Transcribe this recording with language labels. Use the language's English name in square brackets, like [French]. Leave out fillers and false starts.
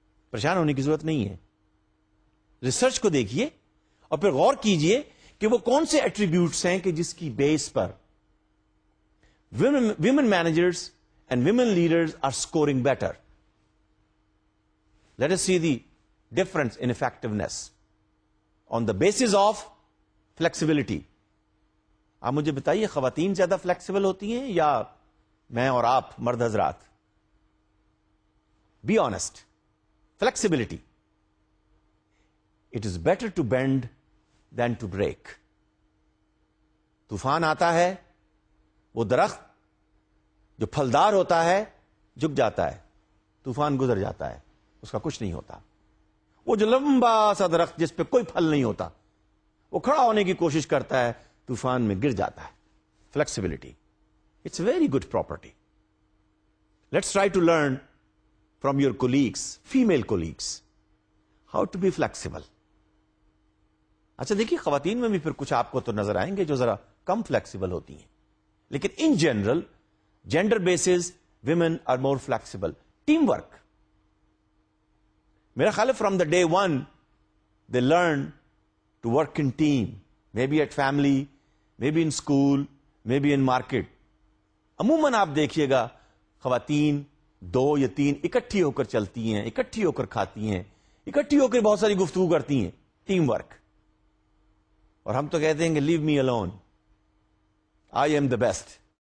[Urdu] پریشان ہونے کی ضرورت نہیں ہے, ریسرچ کو دیکھیے اور پھر غور کیجئے کہ وہ کون سے ایٹریبیوٹس ہیں کہ جس کی بیس پر [English] women managers and women leaders are scoring better. Let us see the difference in effectiveness on the basis of flexibility. [Urdu] آپ مجھے بتائیے خواتین زیادہ فلیکسیبل ہوتی ہیں یا میں اور آپ مرد حضرات؟ [English] Be honest, flexibility, it is better to bend than to break. [Urdu] طوفان آتا ہے, وہ درخت جو پھلدار ہوتا ہے جھک جاتا ہے, طوفان گزر جاتا ہے, اس کا کچھ نہیں ہوتا. وہ جو لمبا سا درخت جس پہ کوئی پھل نہیں ہوتا, وہ کھڑا ہونے کی کوشش کرتا ہے, طوفان میں گر جاتا ہے. [English] Flexibility, it's very good property. Let's try to learn from your colleagues, female colleagues, how to be flexible. [Urdu] اچھا دیکھیے خواتین میں بھی پھر کچھ آپ کو تو نظر آئیں گے جو ذرا کم فلیکسیبل ہوتی ہیں, لیکن [English] In general gender basis women are more flexible. Team work, [Urdu] میرا خیال ہے [English] From the day one they learn to work in team, may be at family, may be in school, may be in market. [Urdu] عموماً آپ دیکھیے گا خواتین دو یا تین اکٹھی ہو کر چلتی ہیں, اکٹھی ہو کر کھاتی ہیں, اکٹھی ہو کر بہت ساری گفتگو کرتی ہیں, ٹیم ورک. اور ہم تو کہتے ہیں کہ [English] Leave me alone, I am the best.